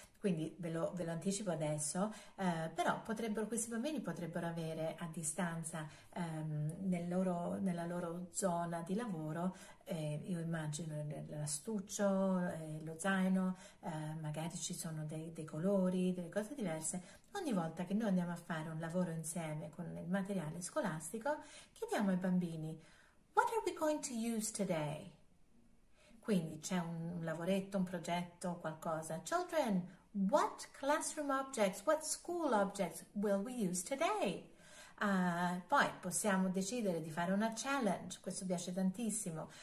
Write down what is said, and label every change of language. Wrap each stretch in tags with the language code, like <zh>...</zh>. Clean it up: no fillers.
<it>Quindi ve lo anticipo adesso, però questi bambini potrebbero avere a distanza nella loro zona di lavoro, io immagino l'astuccio, lo zaino, magari ci sono dei colori, delle cose diverse. Ogni volta che noi andiamo a fare un lavoro insieme con il materiale scolastico, chiediamo ai bambini:</it> <en>what are we going to use today?</en> <it>Quindi c'è un lavoretto, un progetto, qualcosa.</it> <en>Children, what classroom objects, what school objects will we use today?</en> <it>Poi possiamo decidere di fare una challenge, questo piace tantissimo.</it>